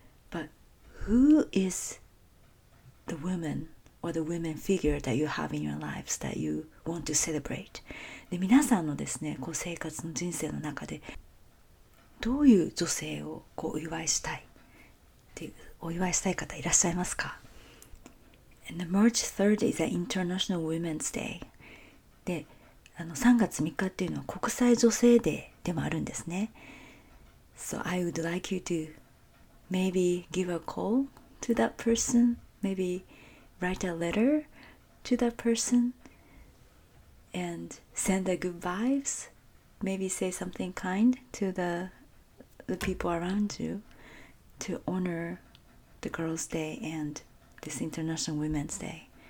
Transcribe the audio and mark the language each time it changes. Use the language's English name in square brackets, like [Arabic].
[English] But who is the woman or the women figure that you have in your lives that you want to celebrate? [Japanese] で、皆さんのですね、こう生活の人生の中で、どういう女性をこうお祝いしたいっていう、お祝いしたい方いらっしゃいますか？ [English] And March 3rd is an International Women's Day. [Japanese] で、あの3月3日っていうのは国際女性デーでもあるんですね。 [English] So I would like you to maybe give a call to that person, maybe write a letter to that person and send the good vibes, maybe say something kind to the people around you to honor the Girls' Day and this International Women's Day.